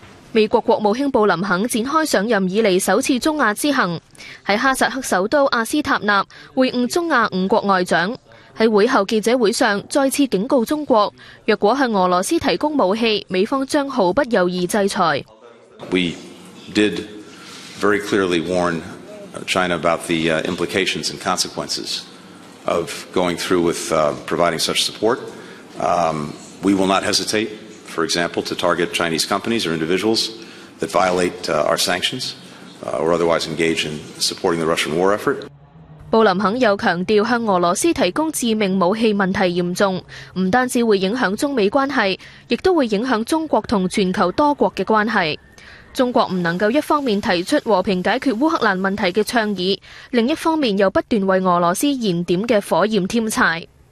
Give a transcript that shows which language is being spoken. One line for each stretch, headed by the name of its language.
Cantonese: 美國國務卿布林肯展開上任以來首次中亞之行，在哈薩克首都阿斯塔納會晤中亞五國外長，在會後記者會上再次警告中國，若果向俄羅斯提供武器，美方將毫不猶豫制裁。
English: We didvery clearly warn China about the implications and consequences of going through with providing such support. We will not hesitate, for example, to target Chinese companies or individuals that violate our sanctions or otherwise engage in supporting the Russian war effort.
Cantonese: 布林肯又强调向俄罗斯提供致命武器问题严重，不单止会影响中美关系，亦都会影响中国同全球多国的关系。中国不能够一方面提出和平解决乌克兰问题的倡议，另一方面又不断为俄罗斯燃点的火焰添柴。